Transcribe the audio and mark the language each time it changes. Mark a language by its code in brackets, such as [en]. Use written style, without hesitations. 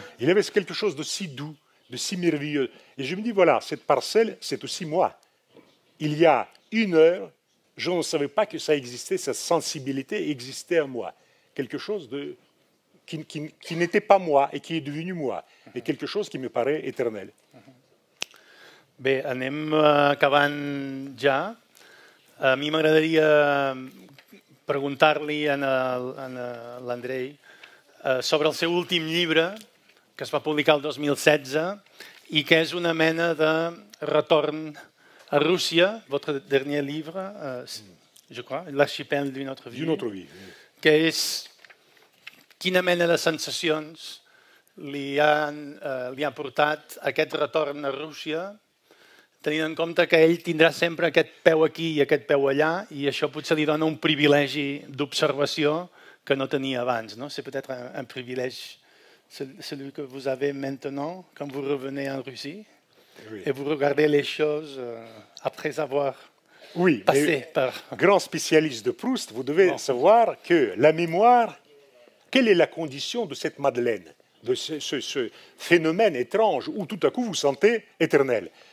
[fr] Il y avait quelque chose de si doux, de si merveilleux. Et je me dis, voilà, cette parcelle, c'est aussi moi. Il y a une heure, je ne savais pas que ça existait, cette sensibilité existait en moi. Quelque chose de, qui n'était pas moi et qui est devenu moi. Et quelque chose qui me paraît éternel. [ca] Bé, anem acabant ja. A mi m'agradaria preguntar-li a l'Andrei sobre el seu últim llibre, que es va publicar el 2016, i que és una mena de retorn a Rússia, [fr] votre dernier livre, je crois, L'archipel d'une autre vie, [ca] que és quina mena de sensacions li han portat aquest retorn a Rússia, tenint en compte que ell tindrà sempre aquest peu aquí i aquest peu allà, i això potser li dona un privilegi d'observació que no tenia abans. No? [fr] C'est peut-être un privilège celui que vous avez maintenant quand vous revenez en Russie. Oui. Et vous regardez les choses après avoir oui, passé par... Grand spécialiste de Proust, vous devez savoir que la mémoire, quelle est la condition de cette madeleine, de ce phénomène étrange où tout à coup vous sentez éternel.